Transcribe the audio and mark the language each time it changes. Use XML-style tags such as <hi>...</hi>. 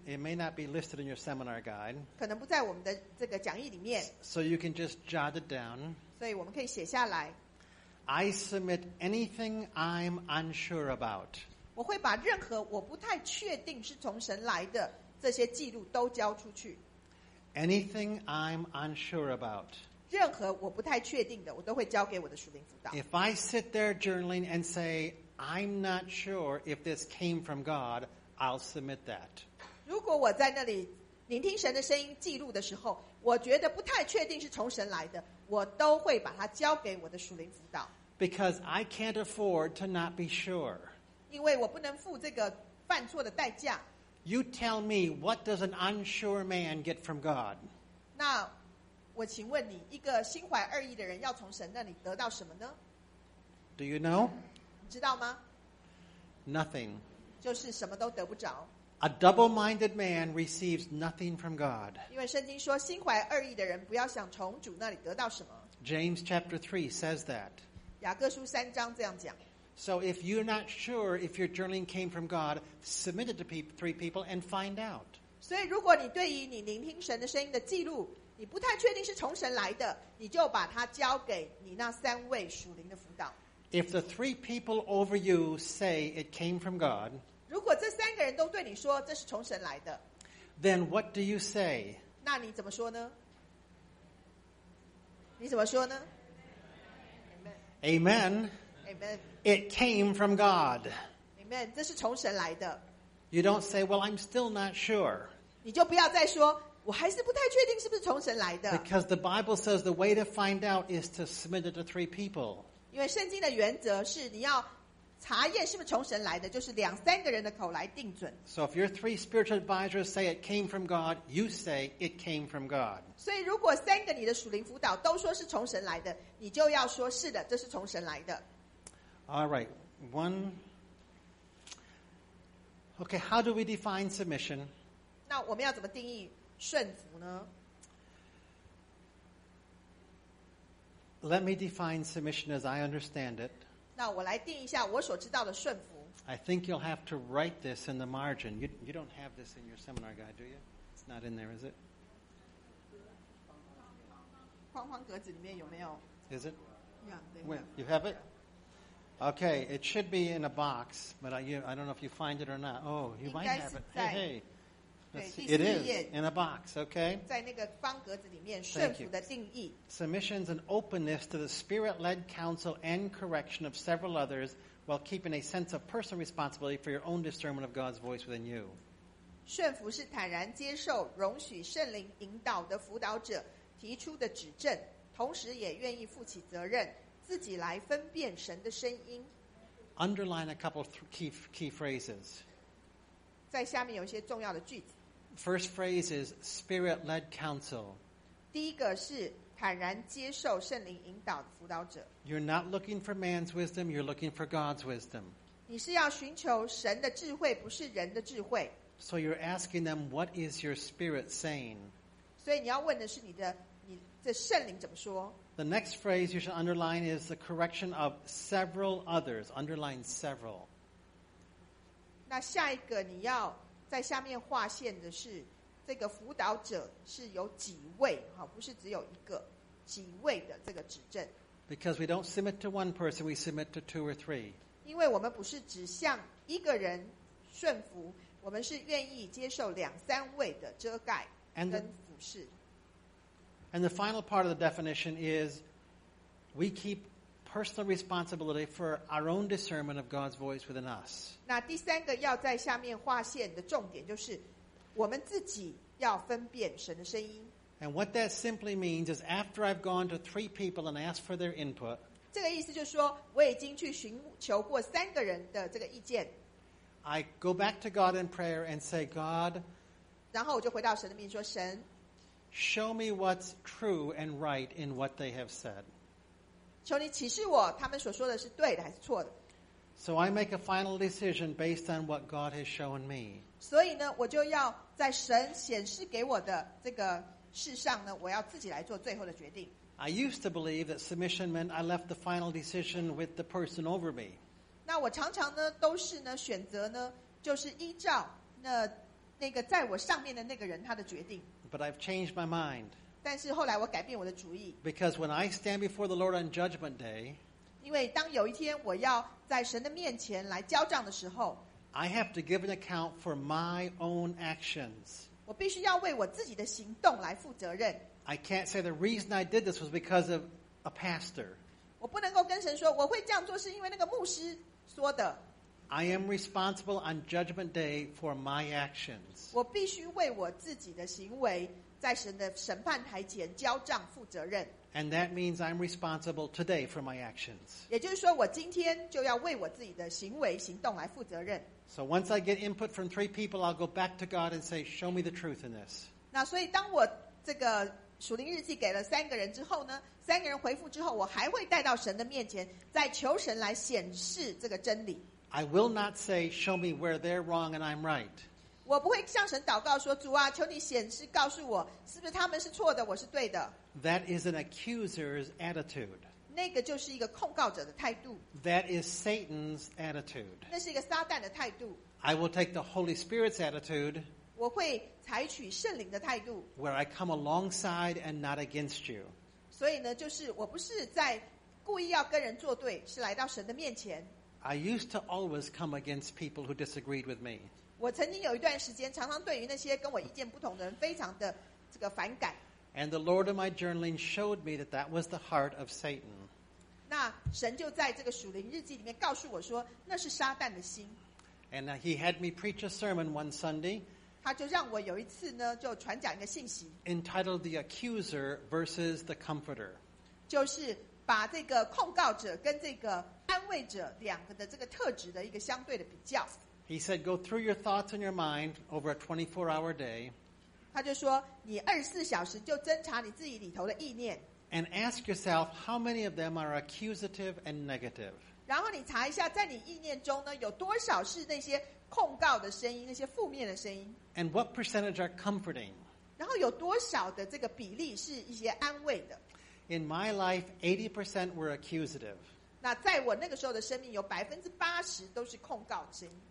<en>it may not be listed in your seminar guide.</en> <zh>可能不在我们的这个讲义里面。</zh> <en>So you can just jot it down.</en> <zh>所以我们可以写下来。</zh> <en>I submit anything I'm unsure about.</en> <zh>我会把任何我不太确定是从神来的这些记录都交出去。</zh> <en>Anything I'm unsure about.</en> <zh>任何我不太确定的，我都会交给我的属灵辅导。</zh> <en>If I sit there journaling and say I'm not sure if this came from God, I'll submit that.</en> <zh>如果我在那里聆听神的声音记录的时候，我觉得不太确定是从神来的，我都会把它交给我的属灵辅导。</zh> <en>Because I can't afford to not be sure.</en> <zh>因为我不能付这个犯错的代价。</zh> <en>You tell me, what does an unsure man get from God?</en> <zh>那我请问你，一个心怀二意的人要从神那里得到什么呢？</zh> <en>Do you know?</en> <zh>你知道吗？</zh> <en>Nothing.</en> <zh>就是什么都得不着。</zh> <en>A double-minded man receives nothing from God.</en> <zh>因为圣经说，心怀二意的人不要想从主那里得到什么。</zh> <en>James chapter 3 says that.</en> <zh>雅各书三章这样讲。</zh> <en>So if you're not sure if your journaling came from God, submit it to three people and find out.</en> <zh>所以如果你对于你聆听神的声音的记录你不太确定是从神来的，你就把它交给你那三位属灵的辅导。</zh> <en>If the three people over you say it came from God,</en> <zh>如果这三个人都对你说这是从神来的，</zh> <en>then what do you say?</en> <zh>那你怎么说呢？你你怎么说呢？</zh> <en>Amen. Amen. It came from God.</en> <zh>Amen. 这是从神来的。</zh> <en>You don't say, well, I'm still not sure.</en> <zh>你就不要再说我还是不太确定是不是从神来的。</zh> <en>Because the Bible says the way to find out is to submit it to three people.</en> <zh>因为圣经的原则是你要查验是不是从神来的，就是两三个人的口来定准。</zh> <en>So if your three spiritual advisors say it came from God, you say it came from God.</en> <zh>所以如果三个你的属灵辅导都说是从神来的，你就要说是的，这是从神来的。</zh> <en>All right, one. Okay, how do we define submission? 那我们要怎么定义顺服呢？ Let me define submission as I understand it. 那我来定一下我所知道的顺服。 I think you'll have to write this in the margin. You don't have this in your seminar guide, do you? It's not in there, is it?</en> <zh>框框格子里面有没有？</zh> <en>Is it? Yeah, there. You have it? Okay, it should be in a box, but I don't know if you find it or not. Oh, you might have it. Hey. It is in a box, okay?</en> <zh>在那个方格子里面，顺服的定义。</zh> <en>Submission is an openness to the spirit-led counsel and correction of several others while keeping a sense of personal responsibility for your own discernment of God's voice within you.</en> <zh>顺服是坦然接受，容许圣灵引导的辅导者提出的指正，同时也愿意负起责任，自己来分辨神的声音。</zh> <en>Underline a couple of key phrases.</en> <zh>在下面有一些重要的句子。</zh> <en>First phrase is spirit-led counsel.</en> <zh>第一个是坦然接受圣灵引导的辅导者。</zh> <en>You're not looking for man's wisdom, you're looking for God's wisdom.</en> <zh>你是要寻求神的智慧，不是人的智慧。</zh> <en>So you're asking them, what is your spirit saying?</en> <zh>所以你要问的是你的圣灵怎么说。</zh> <en>The next phrase you should underline is the correction of several others. Underline several.</en> <zh>那下一个你要在下面划线的是这个辅导者是有几位，不是只有一个，几位的这个指证。</zh> <en>Because we don't submit to one person, we submit to two or three.</en> <zh>因为我们不是只向一个人顺服，我们是愿意接受两三位的遮盖跟服侍。</zh> <en>And the final part of the definition is we keep personal responsibility for our own discernment of God's voice within us.</en> <zh>那第三个要在下面划线的重点就是我们自己要分辨神的声音。</zh> <en>And what that simply means is after I've gone to three people and asked for their input,</en> <zh>这个意思就是说我已经去寻求过三个人的这个意见。</zh> <en>I go back to God in prayer and say, God,</en> <zh>然后我就回到神的面前说神</zh> <en>show me what's true and right in what they have said.</en> <zh>求你启示我，他们所说的是对的还是错的。</zh> <en>So I make a final decision based on what God has shown me.</en> <zh>所以呢，我就要在神显示给我的这个事上呢，我要自己来做最后的决定。</zh> <en>I used to believe that submission meant I left the final decision with the person over me.</en> <zh>那我常常呢，都是呢，选择呢，就是依照那个在我上面的那个人他的决定。</zh> <en>But I've changed my mind.</en> <zh>但是后来我改变我的主意。</zh> <en>Because when I stand before the Lord on Judgment Day,</en> <zh>因为当有一天我要在神的面前来交账的时候，</zh> <en>I have to give an account for my own actions.</en> <zh>我必须要为我自己的行动来负责任。</zh> <en>I can't say the reason I did this was because of a pastor.</en> <zh>我不能够跟神说我会这样做是因为那个牧师说的。</zh> <en>I am responsible on Judgment Day for my actions.</en> <zh>我必须为我自己的行为在神的审判台前交账负责任。</zh> <en>And that means I'm responsible today for my actions.</en> <zh>也就是说我今天就要为我自己的行为行动来负责任。</zh> <en>So once I get input from three people, I'll go back to God and say, show me the truth in this.</en> <zh>那所以当我这个属灵日记给了三个人之后呢，三个人回复之后，我还会带到神的面前，再求神来显示这个真理。</zh> <en>I will not say, show me where they're wrong and I'm right.</en> <zh>我不会向神祷告说主啊求你显示告诉我是不是他们是错的我是对的。</zh> <en>That is an accuser's attitude.</en> <zh>那个就是一个控告者的态度。</zh> <en>That is Satan's attitude.</en> <zh>那是一个撒旦的态度。</zh> <en>I will take the Holy Spirit's attitude.</en> <zh>我会采取圣灵的态度。</zh> <en>Where I come alongside and not against you.</en> <zh>所以呢就是我不是在故意要跟人作对是来到神的面前。</zh> <en>I used to always come against people who disagreed with me.</en> <zh>我曾经有一段时间常常对于那些跟我意见不同的人非常的这个反感。</zh> <en>And the Lord of my journaling showed me that that was the heart of Satan.</en> <zh>那神就在这个属灵日记里面告诉我说，那是撒旦的心。</zh> <en>And he had me preach a sermon one Sunday.</en> <zh>他就让我有一次呢，就传讲一个信息。</zh> <en>Entitled The Accuser versus the Comforter.</en> <zh>就是把这个控告者跟这个安慰者两个的这个特质的一个相对的比较。</zh> <en>He said, "Go through your thoughts and your mind over a 24-hour day."</en> <zh>他就说，你二十四小时就侦查你自己里头的意念。</zh> <en>And ask yourself how many of them are accusative and negative.</en> <zh>然后你查一下，在你意念中呢，有多少是那些控告的声音，那些负面的声音。</zh> <en>And what percentage are comforting?</en> <zh>然后有多少的这个比例是一些安慰的？</zh> <en>In my life, 80% were accusative.</en> <zh>那在我那个时候的生命，有80%都是控告的声音。</zh>